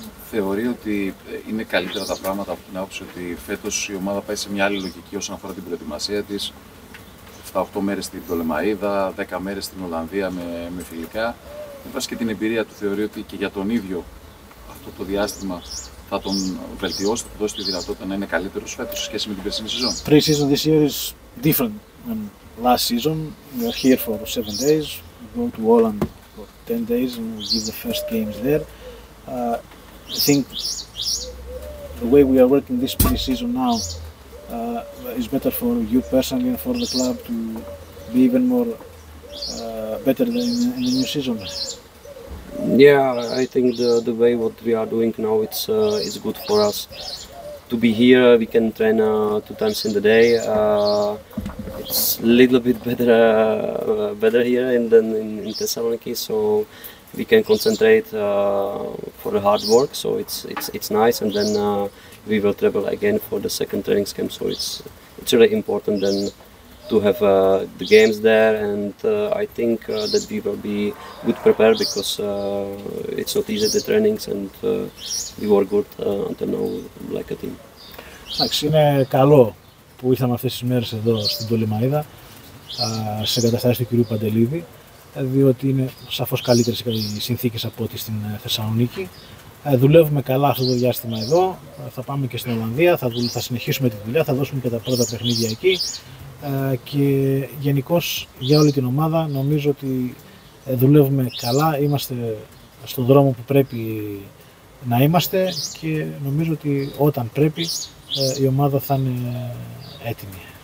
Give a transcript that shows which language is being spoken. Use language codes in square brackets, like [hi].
[el] Θεωρεί ότι είναι καλύτερα τα πράγματα από την άποψη ότι φέτος η ομάδα πάει σε μια άλλη λογική όσον αφορά την προετοιμασία της. 7-8 μέρες στην Πτολεμαϊδα, 10 μέρες στην Ολλανδία με φιλικά. Με βάση και την εμπειρία του, θεωρεί ότι και για τον ίδιο αυτό το διάστημα θα τον βελτιώσει, θα του δώσει τη δυνατότητα να είναι καλύτερος φέτος σε σχέση με την περσινή σεζόν. [en] Pre-season this year is different. Last season, we are here for 7 days, we go to Holland for 10 days and we give the first games there. I think the way we are working this pre-season now is better for you personally and for the club to be even more better than in the new season. Yeah, I think the way what we are doing now, it's good for us. To be here, we can train two times in the day. It's a little bit better here than in Thessaloniki, so we can concentrate for the hard work. So it's nice, and then we will travel again for the second training camp. So it's really important then to have the games there, and I think that we will be good prepared, because it's not easy, the trainings, and we work good until now like a team. [el] Εντάξει, είναι καλό που ήρθαμε αυτές τις μέρες εδώ στην Πτολεμαϊδα, σε εγκαταστάσεις του κυρίου Παντελίδη, διότι είναι σαφώς καλύτερες οι συνθήκες από ό,τι στην Θεσσαλονίκη. Δουλεύουμε καλά αυτό το διάστημα εδώ, θα πάμε και στην Ολλανδία, θα συνεχίσουμε τη δουλειά, θα δώσουμε και τα πρώτα παιχνίδια εκεί, και γενικώς για όλη την ομάδα νομίζω ότι δουλεύουμε καλά, είμαστε στον δρόμο που πρέπει να είμαστε, και νομίζω ότι όταν πρέπει η ομάδα θα είναι έτοιμη.